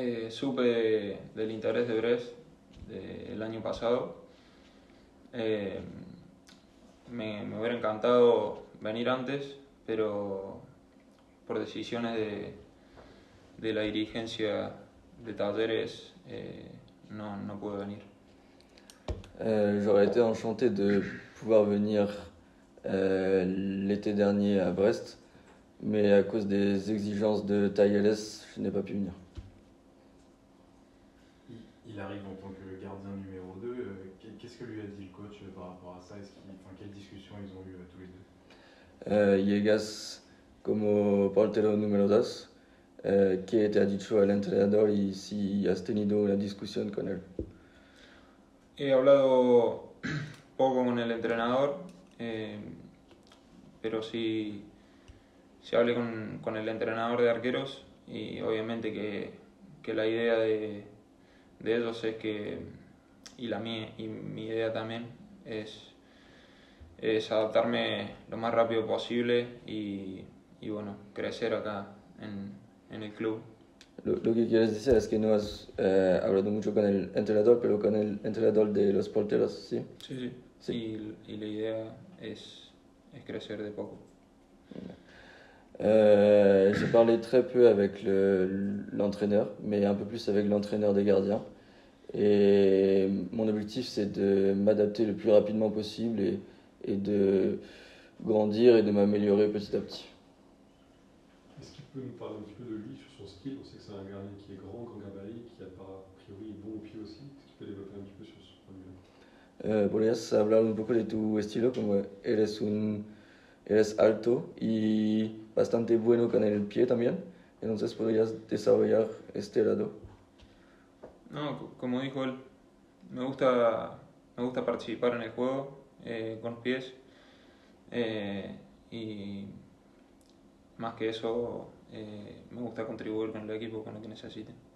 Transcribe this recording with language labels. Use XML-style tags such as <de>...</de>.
<es>Supe del interés de Brest el año pasado. Me hubiera encantado venir antes, pero por decisiones de la dirigencia de Talleres no pude venir.</es> <fr>J'aurais été enchanté de pouvoir venir l'été dernier à Brest. Mais à cause des exigences de Talleres, je n'ai pas pu venir. Il arrive en tant que gardien numéro 2. Qu'est-ce que lui a dit le coach par rapport à ça? Quelle discussion ils ont eu tous les deux?</fr> <es>Llegas como portero número 2. ¿Qué te ha dicho el entrenador y si has tenido una discusión con él? He hablado poco con el entrenador, pero sí. Se hablé con el entrenador de arqueros y obviamente que la idea de ellos es que, y la mía, y mi idea también, es adaptarme lo más rápido posible y bueno, crecer acá en el club. Lo que quieres decir es que no has hablado mucho con el entrenador, pero con el entrenador de los porteros, ¿sí? Sí. Y la idea es crecer de poco.</es> <fr>J'ai parlé très peu avec l'entraîneur, mais un peu plus avec l'entraîneur des gardiens. Et mon objectif, c'est de m'adapter le plus rapidement possible et de grandir et de m'améliorer petit à petit. Est-ce qu'il peut nous parler un petit peu de lui, sur son skill? On sait que c'est un gardien qui est grand, grand gabarit, qui a pas, a priori bon au pied aussi. Est-ce qu'il peut développer un petit peu sur ce point-là?</fr> <es>Podrías hablar un poco de tu estilo, como eres alto y bastante bueno con el pie también, entonces podrías desarrollar este lado. No, como dijo él, me gusta participar en el juego con los pies, y más que eso, me gusta contribuir con el equipo, con lo que necesite.</es>